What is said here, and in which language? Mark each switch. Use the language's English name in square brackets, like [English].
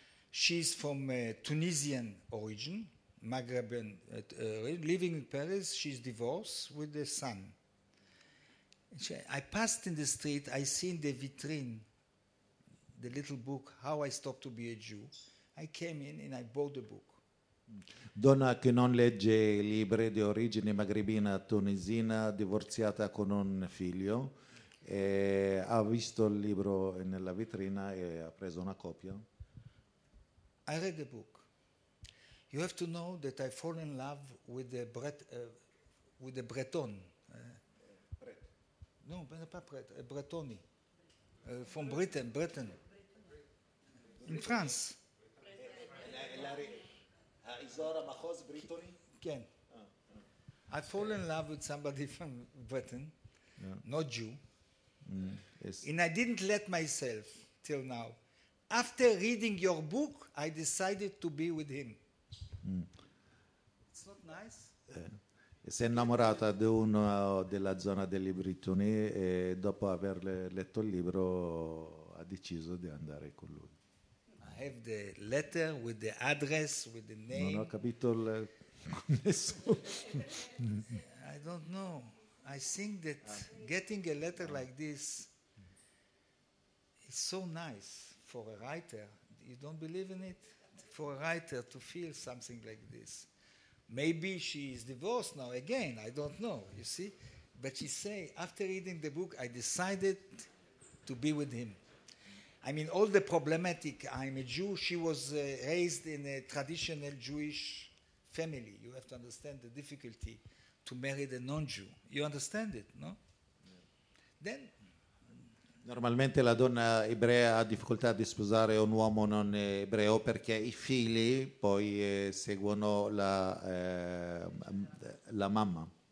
[English] She is from Tunisian origin, Maghrebian, living in Paris. She is divorced with a son. I passed in the street, I seen the vitrine, the little book, How I Stopped to be a Jew. I came in and I bought the book. [Italian] Donna che non legge libri, di origine maghrebina tunisina, divorziata con un figlio, ha visto il libro nella vetrina e ha preso una copia. [English] I read the book. You have to know that I fall in love with the Breton. No, but not Breton, Bretoni. From Britain. In France. La Isora Mahos Brittany? [Hebrew] Ken. [English] I fall in love with somebody from Britain, not Jew. And I didn't let myself till now. After reading your book, I decided to be with him. It's not nice. [Italian] Si è innamorata di uno della zona degli Brittoni e dopo aver letto il libro ha deciso di andare con lui. [English] I have the letter with the address, with the name. [Italian] Non ho capito il nessuno. [English] I don't know. I think that getting a letter like this is so nice for a writer. You don't believe in it? For a writer to feel something like this. Maybe she is divorced now again, I don't know, you see. But she say, after reading the book, I decided to be with him. I mean, all the problematic, I'm a Jew, she was raised in a traditional Jewish family. You have to understand the difficulty to marry the non-Jew. You understand it, no? Yeah. Then, [Italian] normalmente la donna ebrea ha difficoltà di sposare un uomo non ebreo perché i figli poi seguono la mamma.